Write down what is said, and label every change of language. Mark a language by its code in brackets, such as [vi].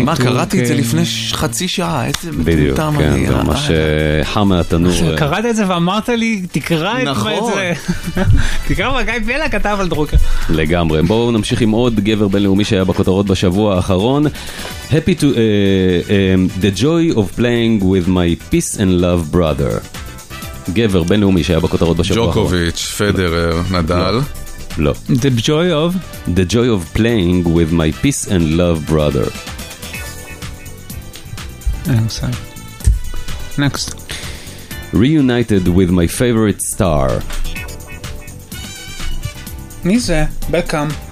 [he] מה, קראתי את זה לפני חצי שעה, איזה מטומטם. בדיוק, כן, זה ממש חם מהתנור. קראת את זה ואמרת לי, תקרא את מה את זה. תקרא מה גיא פלג כתב על דרוקר. לגמרי. בואו נמשיך עם עוד גבר בינלאומי שהיה בכותרות בשבוע האחרון. [en] Happy to... The joy of playing with my peace and love brother. [he] גבר בינלאומי שהיה בכותרות בשבוע האחרון. ג'וקוביץ', פדרר, נדל. לא. [en] The joy of playing with my peace and love brother. I'm sorry. Next. Reunited with my favorite star. [he] מי זה? Beckham.